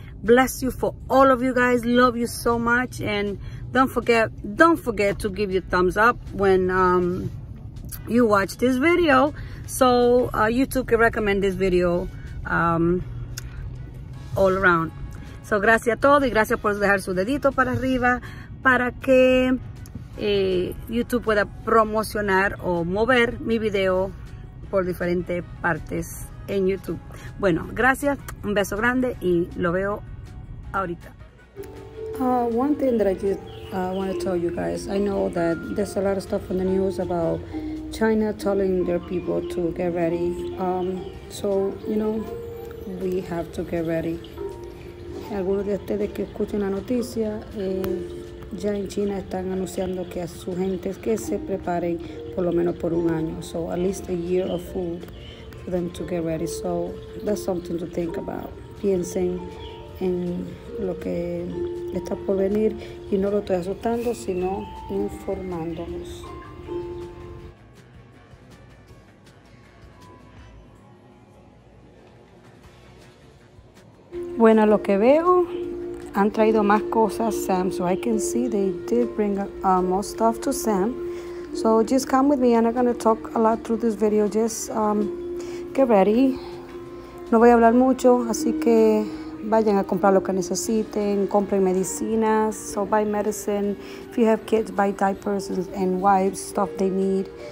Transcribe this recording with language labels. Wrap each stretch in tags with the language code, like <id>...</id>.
<en>Bless you for all of you guys. Love you so much. And don't forget to give your thumbs up when you watch this video. So, YouTube can recommend this video all around.</en> <es>So, gracias a todos y gracias por dejar su dedito para arriba para que YouTube pueda promocionar o mover mi video por diferentes partes en YouTube. Bueno, gracias, un beso grande y lo veo ahorita.</es> <en>One thing that I want to tell you guys, I know that there's a lot of stuff in the news about China telling their people to get ready. So, you know, we have to get ready.</en> <es>Algunos de ustedes que escuchen la noticia, ya en China están anunciando que a su gente que se preparen por lo menos por un año.</es> <en>So, at least a year of food for them to get ready.</en> <es>So, that's something to think about. Piensen en lo que está por venir y no lo estoy asustando, sino informándonos. Bueno, lo que veo, han traído más cosas, Sam.</es> <en>So I can see they did bring more stuff to Sam. So just come with me and I'm going to talk a lot through this video. Just get ready.</en> <es>No voy a hablar mucho, así que vayan a comprar lo que necesiten.</es> <en>Compren medicinas. So buy medicine. If you have kids, buy diapers and wipes, stuff they need.</en>